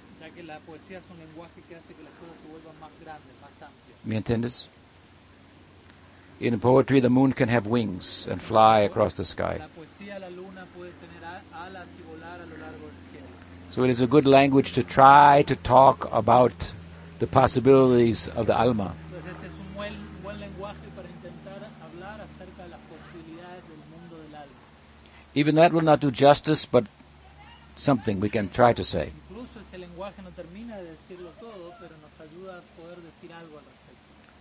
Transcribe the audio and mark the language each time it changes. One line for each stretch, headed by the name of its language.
Spanish: Ya que la poesía es un lenguaje que hace que las cosas se vuelvan más grandes, más amplias. ¿Me entiendes?
English: In poetry, the moon can have wings and fly across the sky.
Spanish: La poesía, la luna puede tener alas y volar a lo largo del cielo.
English: So it is a good language to try to talk about the possibilities of the alma.
Spanish: Pues este es un buen lenguaje para intentar hablar acerca de las posibilidades del mundo del alma.
English: Even that will not do justice, but something we can try to say.
Spanish: Incluso ese lenguaje no termina de decirlo todo, pero nos ayuda a poder decir algo al respecto.